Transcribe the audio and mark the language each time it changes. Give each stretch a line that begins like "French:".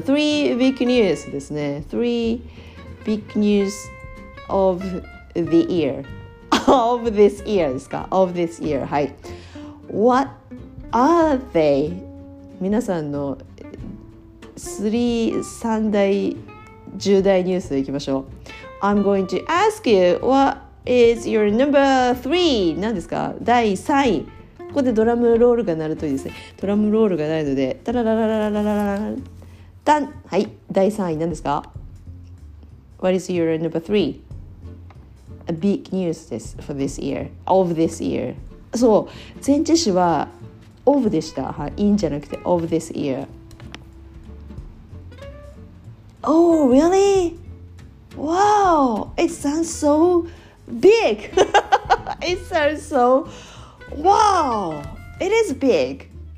English: 3 big news ですね。3 big news of the yearOf this year ですか?Of this year, はい。 What are they?
Japanese: 皆さんの3大重大ニュースいきましょう。
English: I'm going to ask you, what is your number 3?
Japanese: 何ですか?第3位。ここでドラムロールが鳴るといいですね。ドラムロールがないので、タラララララララララララ。ダン!はい、第3位何ですか?
English: What is your number 3? A big news this for this year, of this year.
Japanese: そう、前置詞は of でした。はい、in じゃなくて
English: of this year. Oh, really? Wow! It sounds so big. It sounds so wow. It is big.